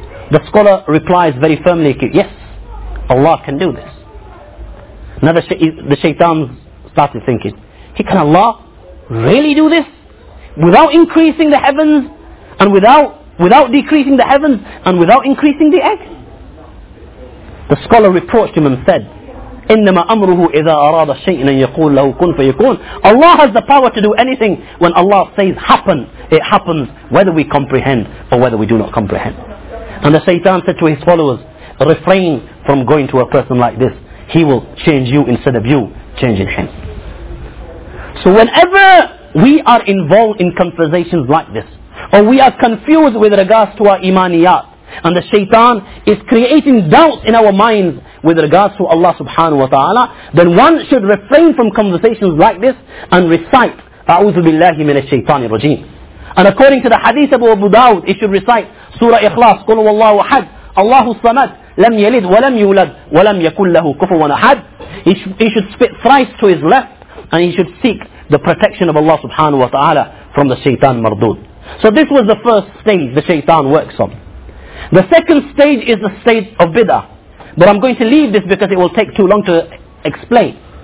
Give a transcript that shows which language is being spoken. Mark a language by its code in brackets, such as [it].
[en] The scholar replies very firmly, yes, Allah can do this. Now the shaitan started thinking, can Allah really do this? Without increasing the heavens and without decreasing the heavens and without increasing the egg? The scholar reproached him and said, [ar] إِنَّمَا أَمْرُهُ إِذَا أَرَادَ شَيْءٍ أَنْ يَقُولَ لَهُ كُنْ فَيَكُونَ. [en] Allah has the power to do anything. When Allah says happen, it happens whether we comprehend or whether we do not comprehend. And the shaitan said to his followers, refrain from going to a person like this. He will change you instead of you changing him. So whenever we are involved in conversations like this, or we are confused with regards to our imaniyat, and the shaitan is creating doubts in our minds with regards to Allah subhanahu wa ta'ala, then one should refrain from conversations like this and recite [ar] أعوذ بالله من الشيطان الرجيم. [en] And according to the hadith of Abu Dawud, it should recite Surah Ikhlas, [ar] قل والله أحد الله الصمد لم يلد ولم يولد ولم يكن له كفوا أحد. [en] He should spit thrice to his left, and he should seek the protection of Allah subhanahu wa ta'ala from the shaitan mardud. So this was the first stage the shaitan works on. The second stage is the stage of bid'ah. But I'm going to leave this because it will take too long to explain.